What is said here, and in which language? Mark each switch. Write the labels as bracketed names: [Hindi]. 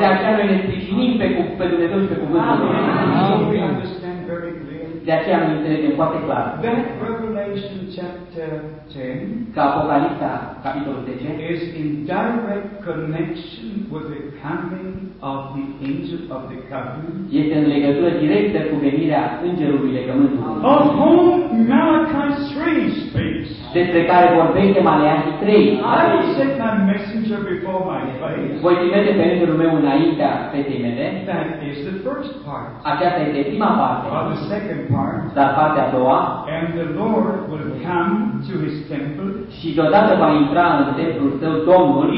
[Romanian] De aceea noi ne sprijinim pe Dumnezeu și pe Cuvântul Lui. De aceea noi înțelegem foarte clar. [English] That Revelation chapter 10, [Romanian] că Apocalipsa, capitolul 10, [English] is in direct connection with the coming of the angel of the covenant. [Romanian] Este în legătură directă cu venirea îngerului legământului. [English] Of whom Malachi 3 speaks. [Romanian] Despre care vorbește Maleachi 3. [English] I will set my messenger before my face. [Romanian] Voi trimite pe îngerul meu înaintea fetei mele. [English] That is the first part. [Romanian] Aceasta este prima parte. [English] Or the second part. [Romanian] Dar partea a doua. [English] And the Lord will come to His temple. [Romanian] Și deodată va intra în templul său Domnul.